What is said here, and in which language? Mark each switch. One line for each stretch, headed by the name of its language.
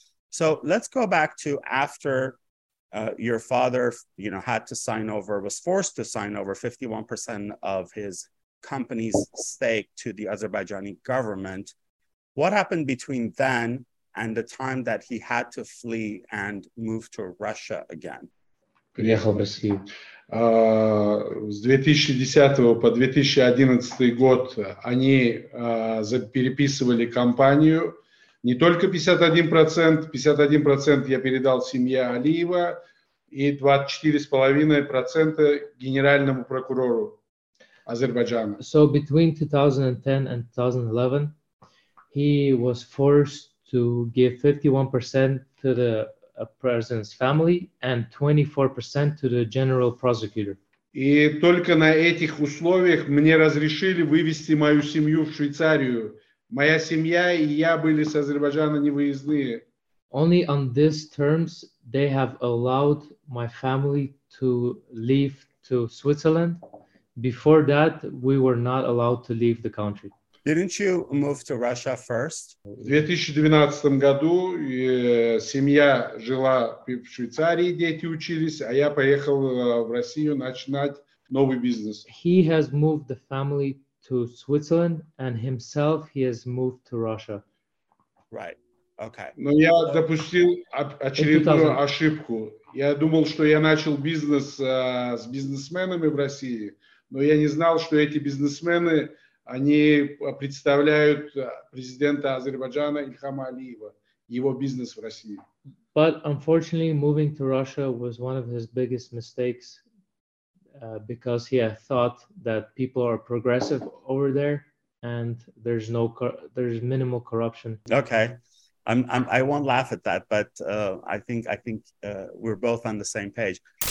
English: So let's go back to after your father, you know, was forced to sign over 51% of his company's stake to the Azerbaijani government. What happened between then and the time that he had to flee and move to Russia again?
Russian: Приехал в Россию. С 2010 по 2011 год они переписывали компанию. Не только 51%, 51% я передал семье Алиева и 24.5% генеральному прокурору Azerbaijan.
English: So between 2010 and 2011, he was forced to give 51% to the president's family and 24% to the general prosecutor.
Russian: И только на этих условиях мне разрешили вывести мою семью в Швейцарию. Моя семья и я были с Азербайджана невыездные.
English: Only on these terms they have allowed my family to leave to Switzerland. Before that, we were not allowed to leave the country. Didn't you move to Russia first?
Russian: В 2012 году семья жила в Швейцарии, дети учились, а я поехал в Россию начинать новый бизнес.
English: He has moved the family to Switzerland, and himself he has moved to Russia. Right. Okay.
Russian: Но я допустил очередную ошибку. Я думал, что я начал бизнес с бизнесменами в России. Но я не знал, что эти бизнесмены, они представляют президента Азербайджана Ильхама Алиева, его бизнес в России.
English: But unfortunately, moving to Russia was one of his biggest mistakes, because he had thought that people are progressive over there and there's minimal corruption. Okay, I won't laugh at that, but I think we're both on the same page.